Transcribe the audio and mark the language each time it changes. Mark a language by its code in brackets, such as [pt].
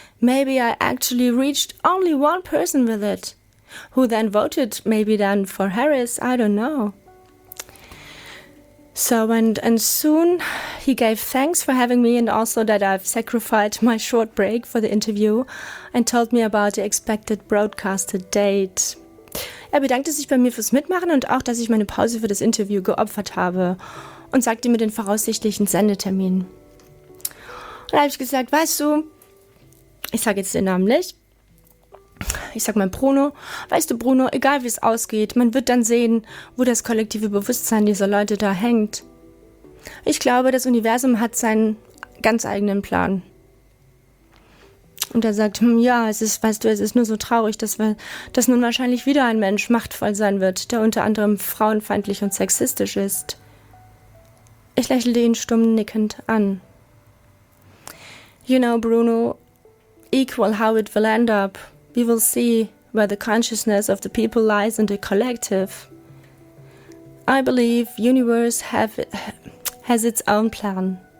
[en] Maybe I actually reached only one person with it, who then voted maybe then for Harris, I don't know. So and soon he gave thanks for having me, and also that I've sacrificed my short break for the interview, and told me about the expected broadcasted date. [de] Bedankte sich bei mir fürs Mitmachen und auch, dass ich meine Pause für das Interview geopfert habe, und sagte mir den voraussichtlichen Sendetermin. Und da habe ich gesagt, weißt du, ich sage jetzt den Namen nicht, ich sage mein Bruno, weißt du Bruno, egal wie es ausgeht, man wird dann sehen, wo das kollektive Bewusstsein dieser Leute da hängt. Ich glaube, das Universum hat seinen ganz eigenen Plan. Und er sagt, ja, es ist, weißt du, es ist nur so traurig, dass nun wahrscheinlich wieder ein Mensch machtvoll sein wird, der unter anderem frauenfeindlich und sexistisch ist. Ich lächelte ihn stumm nickend an. [en] You know, Bruno, equal how it will end up, we will see where the consciousness of the people lies in the collective. I believe universe has its own plan.